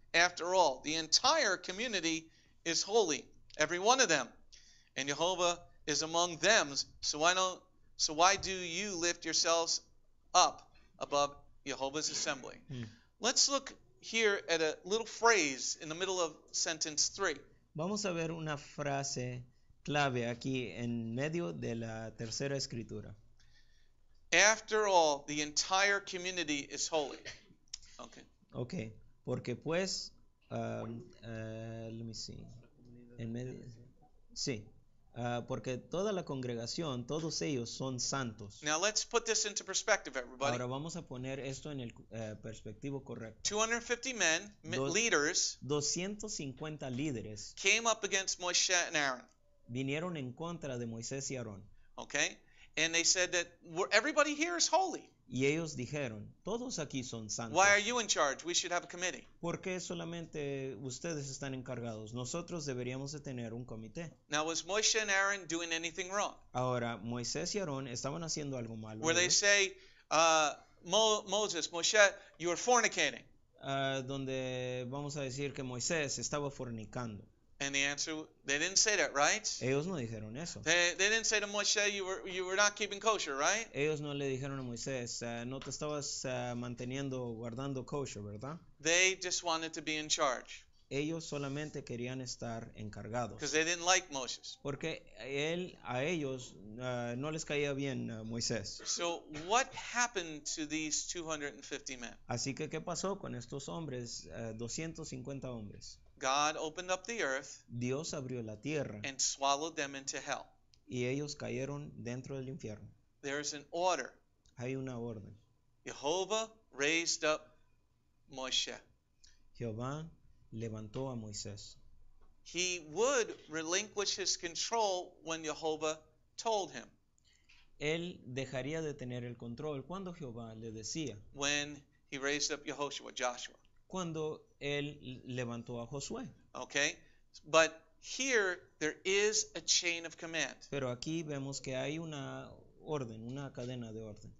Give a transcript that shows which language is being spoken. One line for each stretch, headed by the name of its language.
English: After all, the entire community is holy, every one of them. And Jehovah is among them, so why do you lift yourselves up above Jehovah's assembly?" Let's look here at a little phrase in the middle of sentence 3.
Spanish: Vamos a ver una frase clave aquí en medio de la tercera escritura.
English: After all, the entire community is holy. Okay. Okay.
Spanish: Porque pues,
English: let me see.
Spanish: En medio. Sí. Porque toda la congregación, todos ellos son santos.
English: Now let's put this into perspective, everybody.
Spanish: Ahora vamos a poner esto en el perspectivo correcto.
English: 250 men, leaders.
Spanish: 250 líderes.
English: Came up against Moshe and Aaron.
Spanish: Vinieron en contra de Moisés y Aarón.
English: Okay. And they said that everybody here is holy.
Spanish: Y ellos dijeron, todos aquí son santos.
English: Why are you in charge? We should have a committee.
Spanish: ¿Por qué solamente ustedes están encargados? Nosotros deberíamos de tener un comité.
English: Now, was Moshe and Aaron doing anything wrong?
Spanish: Ahora, Moisés y Aarón estaban haciendo algo malo.
English: Where they say, Moses, Moshe, you are fornicating.
Spanish: Donde vamos a decir que Moisés estaba fornicando.
English: And the answer, they didn't say that, right?
Spanish: Ellos no dijeron eso.
English: They didn't say to Moshe, you were not keeping kosher, right?
Spanish: Ellos no le dijeron a Moisés, no te estabas manteniendo, guardando kosher, ¿verdad?
English: They just wanted to be in charge.
Spanish: Ellos solamente querían estar encargados.
English: Because they didn't like Moses.
Spanish: Porque él, a ellos, no les caía bien Moisés.
English: So what happened to these 250 men?
Spanish: Así que, ¿qué pasó con estos hombres, 250 hombres?
English: God opened up the earth.
Spanish: Dios abrió la tierra.
English: And swallowed them into hell.
Spanish: Y ellos cayeron dentro del infierno.
English: There is an order.
Spanish: Hay una orden.
English: Jehovah raised up Moshe.
Spanish: Jehová levantó a Moisés.
English: He would relinquish his control when Jehovah told him.
Spanish: Él dejaría de tener el control cuando Jehová le decía.
English: When he raised up Yehoshua, Joshua.
Spanish: Cuando él levantó a Josué.
English: Okay, but here there is a chain of command.
Spanish: Pero aquí vemos que hay una orden, una cadena de orden.